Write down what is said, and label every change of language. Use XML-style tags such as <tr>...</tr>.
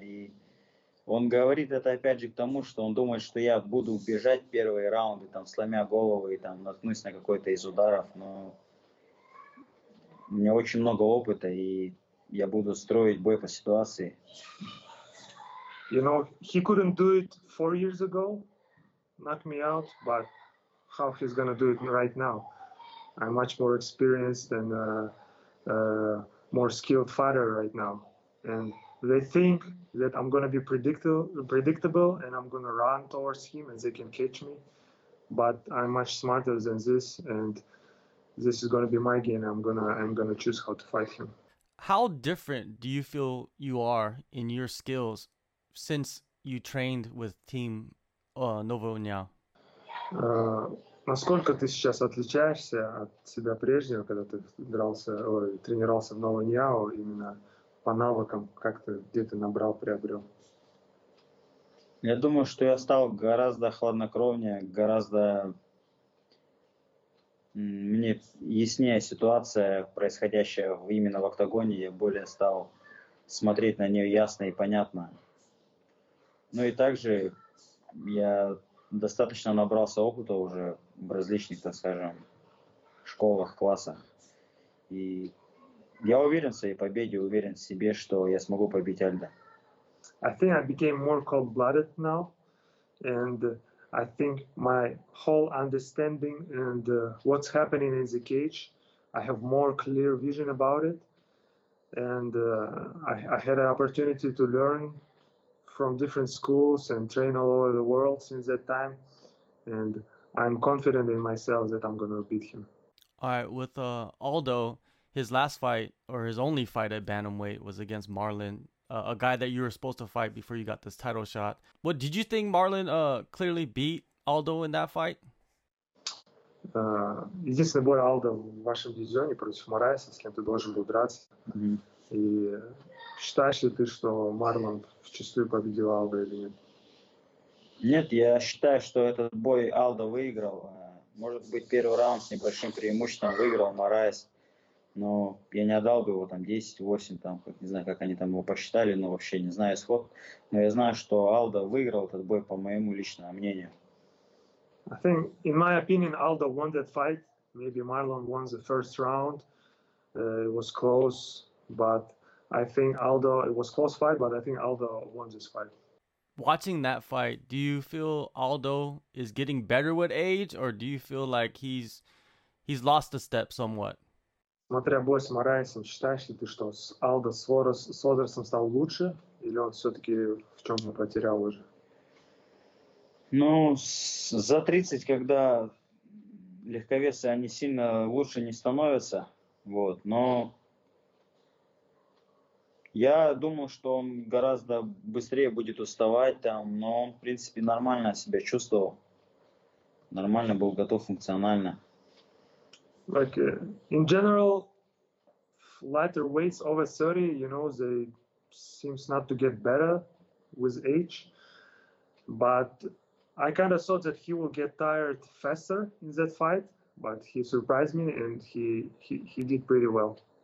<ru>И он говорит это опять же к тому, что он думает, что я буду бежать первые раунды, там, сломя голову и там наткнусь на какой-то из ударов, но у меня очень много опыта, и я буду строить бой по ситуации.</ru> <en>You know, he couldn't do it 4 years ago, knock me out, but how he's gonna do it right now? I'm much more experienced and more skilled fighter right now. And they think that I'm gonna be predictable and I'm gonna run towards him and they can catch me. But I'm much smarter than this, and this is gonna be my game. I'm gonna choose how to fight him. How different do you feel you are in your skills since you trained with team Novo Niao?</en> <ru>Насколько ты сейчас отличаешься от себя прежнего, когда ты дрался, ой, тренировался в Новой Ньяо, именно по навыкам, как ты где-то набрал, приобрел? Я думаю, что я стал гораздо хладнокровнее, гораздо мне яснее ситуация, происходящая именно в октагоне, я более стал смотреть на нее ясно и понятно. Ну и также я достаточно набрался опыта уже в различных, так скажем, школах, классах. И я уверен в своей победе, уверен в себе, что я смогу побить Альдо.</ru> <en>I think I became more cold-blooded now, and I think my whole understanding and what's happening in the cage, I have more clear vision about it, and I had an opportunity to learn from different schools and train all over the world since that time, and I'm confident in myself that I'm gonna beat him. All right, with Aldo, his last fight, or his only fight at bantamweight, was against Marlon, a guy that you were supposed to fight before you got this title shot. What did you think Marlon clearly beat Aldo in that fight?</en> <ru>Единственный бой Aldo в вашем дивизионе против Морайса, с кем ты должен был драться. И считаешь ли ты, что Марлон вчистую победил Алдо или нет? Нет, я считаю, что этот бой Алдо выиграл. Может быть, первый раунд с небольшим преимуществом выиграл Морайс. Но я не отдал бы его там 10-8, там, не знаю, как они там его посчитали, но вообще не знаю исход. Но я знаю, что Алдо выиграл этот бой, по моему личному мнению.</ru> <en>I think, in my opinion, Aldo won that fight. Maybe Marlon won the first round. It was close. But I think Aldo, it was a close fight, but I think Aldo won this fight. Watching that fight, do you feel Aldo is getting better with age, or do you feel like he's lost a step somewhat?</en> <ru>Смотря бой с Морайсом, считаешь ли ты, что Aldo с возрастом стал лучше, или он все-таки в чем-то потерял уже? Ну, за 30, когда легковесы, они сильно лучше не становятся, вот, но я думал, что он гораздо быстрее будет уставать там, но он, в принципе, нормально себя чувствовал. Нормально был готов функционально.</ru> <en>Like, in general, lighter weights over 30, you know, they seems not to get better with age. But I kind of thought that he will get tired faster in that fight, but he surprised me and he did pretty well.</en>